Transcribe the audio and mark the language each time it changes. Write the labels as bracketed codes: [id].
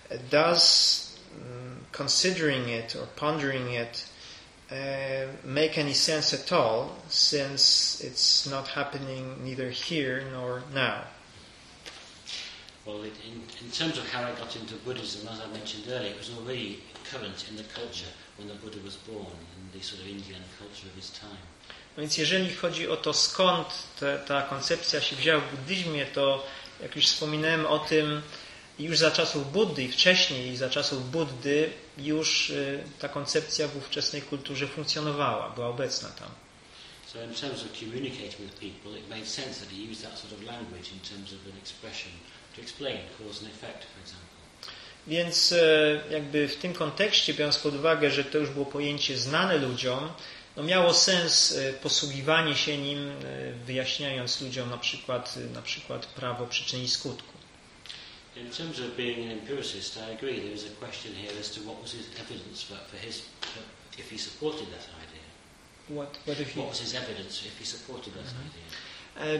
[en] Does considering it or pondering it make any sense at all, since it's not happening neither here nor now? Well, in terms of how I got into Buddhism, as I mentioned earlier, it was already current in the culture when the Buddha was born, in the sort of Indian culture of his time. [pl] No więc jeżeli chodzi o to, skąd ta koncepcja się wzięła w buddyzmie, to jak już wspominałem o tym, już za czasów Buddy, wcześniej za czasów Buddy, już ta koncepcja w ówczesnej kulturze funkcjonowała, była obecna tam. [en] So in terms of communicating with people, it made sense that he used that sort of language in terms of an expression to explain cause and effect, for example. [pl] Więc jakby w tym kontekście, biorąc pod uwagę, że to już było pojęcie znane ludziom, no miało sens posługiwanie się nim, wyjaśniając ludziom na przykład prawo przyczyny i skutku. [en] In terms of being an empiricist, I agree there is a question here as to what was his evidence for his if he supported that idea. What was his evidence if he supported that idea?